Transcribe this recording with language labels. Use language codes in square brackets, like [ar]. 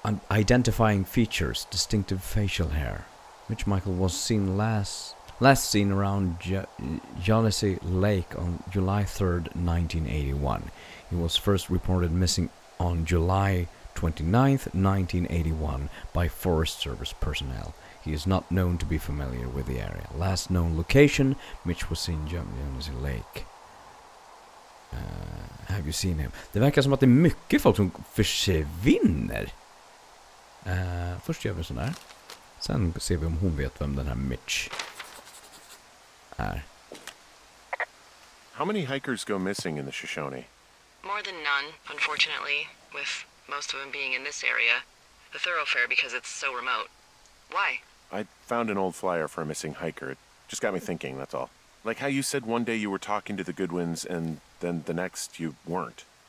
[en] Identifying features, distinctive facial hair. Mitch Michael was seen last seen around Yalesi Lake on July 3rd, 1981. He was first reported missing on July 29th, 1981 by Forest Service personnel. He is not known to be familiar with the area. Last known location, Mitch was seen jumping on his lake. have you seen him? [sv] Det verkar som att det är mycket folk som försvinner. Först gör vi sån där. Sen ser vi om hon vet vem den här Mitch är. [en] How many hikers go missing in the Shoshone? More than none, unfortunately, with most of them being in this area. The thoroughfare, because it's so remote. Why? I found an old flyer for a missing hiker. It just got me thinking, that's all. Like how you said one day you were talking to the Goodwins, and then the next you weren't.